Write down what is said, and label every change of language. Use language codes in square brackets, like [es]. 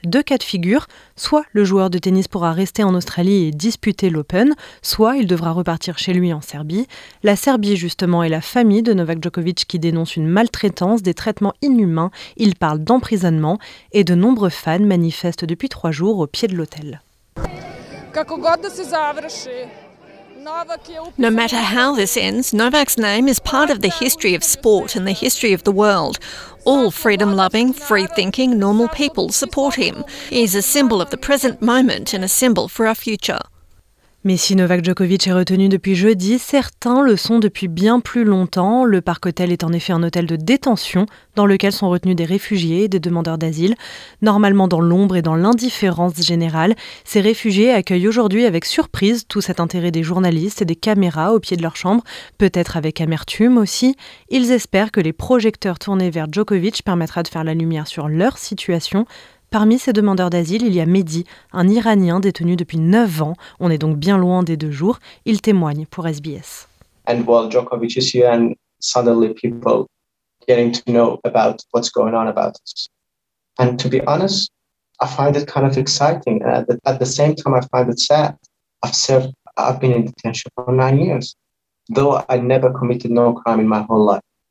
[fr] Deux cas de figure, soit le joueur de tennis pourra rester en Australie et disputer l'Open, soit il devra repartir chez lui en Serbie. La Serbie justement est la famille de Novak Djokovic qui dénonce une maltraitance, des traitements inhumains, il parle d'emprisonnement et de nombreux fans manifestent depuis 3 jours au pied de l'hôtel. [en] No matter how this ends, Novak's name is part of the history of sport and the history of the world. All freedom-loving, free-thinking, normal people support him. He's a symbol of the present moment and a symbol for our future. [fr] Mais si Novak Djokovic est retenu depuis jeudi, certains le sont depuis bien plus longtemps. Le parc hôtel est en effet un hôtel de détention dans lequel sont retenus des réfugiés et des demandeurs d'asile. Normalement dans l'ombre et dans l'indifférence générale, ces réfugiés accueillent aujourd'hui avec surprise tout cet intérêt des journalistes et des caméras au pied de leur chambre, peut-être avec amertume aussi. Ils espèrent que les projecteurs tournés vers Djokovic permettra de faire la lumière sur leur situation. Parmi ces demandeurs d'asile, il y a Mehdi, un Iranien détenu depuis 9 ans. On est donc bien loin des 2 jours. Il témoigne pour SBS. [en] And while Djokovic is here and suddenly people getting to know about what's going on about us. And to be honest, I find it kind of exciting. At the same time, I find it sad. I've been in detention for 9 years. Though I never committed no crime in my whole life.